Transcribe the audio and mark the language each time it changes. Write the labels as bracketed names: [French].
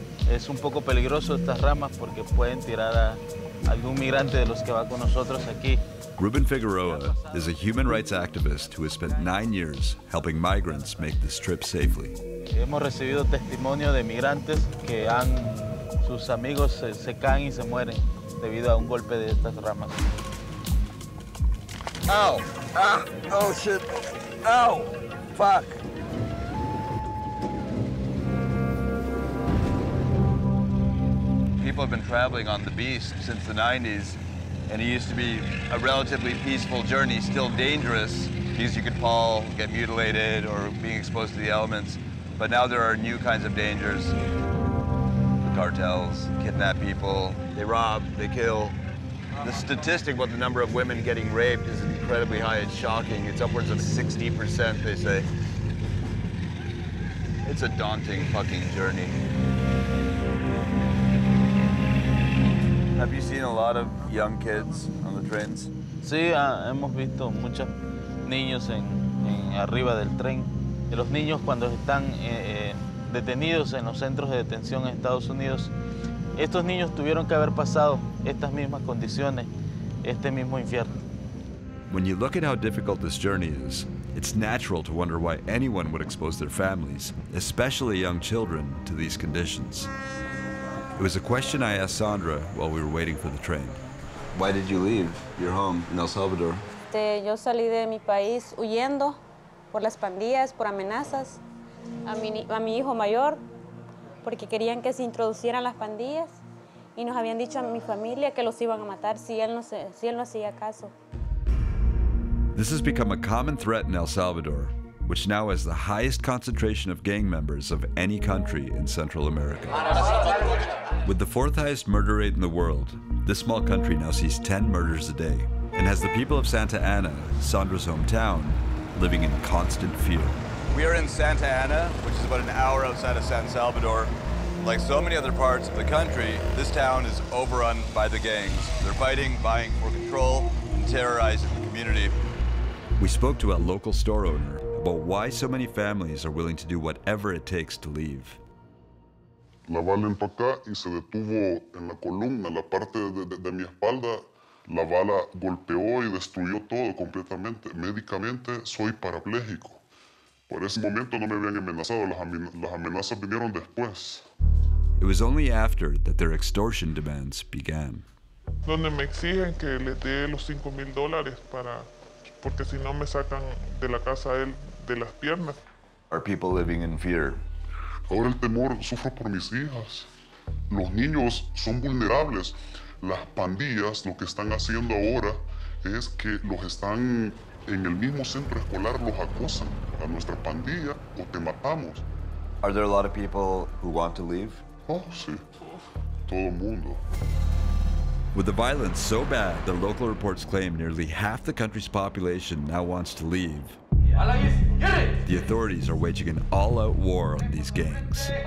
[Spanish] Es un poco peligroso estas ramas porque pueden tirar a algún migrante de los que va con nosotros aquí. [English] Ruben Figueroa is a human rights activist who has spent 9 years helping migrants make this trip safely. [Spanish] Hemos recibido testimonio de migrantes que han sus amigos se caen y se mueren debido a un golpe de estas ramas. [English] Ow! Ah! Oh shit! Ow! Fuck! People have been traveling on the Beast since the 90s, and it used to be a relatively peaceful journey, still dangerous, because you could fall, get mutilated, or being exposed to the elements. But now there are new kinds of dangers. Cartels kidnap people, they rob, they kill. The statistic about the number of women getting raped is incredibly high. It's shocking. It's upwards of 60%, they say. It's a daunting fucking journey. Have you seen a lot of young kids on the trains? [Spanish] Sí, hemos visto muchos niños en arriba del tren. Y los niños cuando están detenidos en los centros de detención en Estados Unidos, estos niños tuvieron que haber pasado estas mismas condiciones, este mismo infierno. [English] When you look at how difficult this journey is, it's natural to wonder why anyone would expose their families, especially young children, to these conditions. It was a question I asked Sandra while we were waiting for the train. Why did you leave your home in El Salvador? [Spanish] Yo salí de mi país huyendo por las pandillas, por amenazas a mi hijo mayor, porque querían que se introducieran las pandillas y nos habían dicho a mi familia que los iban a matar si él no hacía caso. [English] This has become a common threat in El Salvador, which now has the highest concentration of gang members of any country in Central America. With the fourth highest murder rate in the world, this small country now sees 10 murders a day and has the people of Santa Ana, Sandra's hometown, living in constant fear. We are in Santa Ana, which is about an hour outside of San Salvador. Like so many other parts of the country, this town is overrun by the gangs. They're fighting, vying for control, and terrorizing the community. We spoke to a local store owner about why so many families are willing to do whatever it takes to leave. [Spanish] La bala entró acá y se detuvo en la columna, la parte de mi espalda. La bala golpeó y destruyó todo completamente. Médicamente, soy parapléjico. Por ese momento no me habían amenazado. Las amenazas vinieron después. [English] It was only after that their extortion demands began. [Spanish] Donde me exigen que les dé los $5,000 para... porque si no me sacan de la casa él de las piernas. [English] Are people living in fear? [Spanish] Ahora el temor sufro por mis hijas. Los niños son vulnerables. Las pandillas lo que están haciendo ahora es que los están en el mismo centro escolar, los acosan a nuestra pandilla o te matamos. [English] Are there a lot of people who want to leave? [Spanish] Oh, sí. Todo el mundo. [English] With the violence so bad, the local reports claim nearly half the country's population now wants to leave. The authorities are waging an all-out war on these gangs.